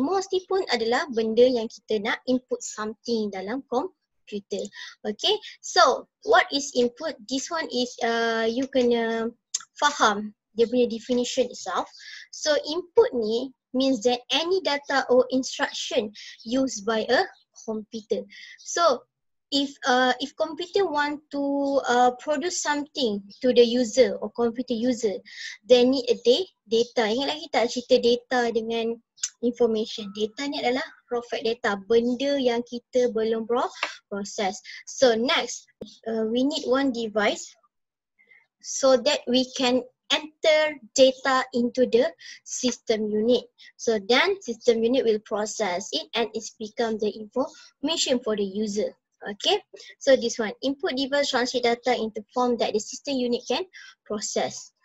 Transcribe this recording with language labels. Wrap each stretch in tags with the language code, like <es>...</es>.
<ms>Mouse ni pun adalah benda yang kita nak input something dalam komputer.</ms> <en>Okay, so what is input? This one is you</en> <ms>kena faham dia punya</ms> <en>definition itself. So input ni means that any data or instruction used by a computer. So if computer want to produce something to the user or computer user, they need a data.</en> <ms>Ingat lagi tak cerita data dengan information? Data ni adalah raw fact data, benda yang kita belum proses.</ms> <en>So next, we need one device so that we can enter data into the system unit. So then system unit will process it, and it become the information for the user. Okay, so this one, input device translate data into form that the system unit can process.</en>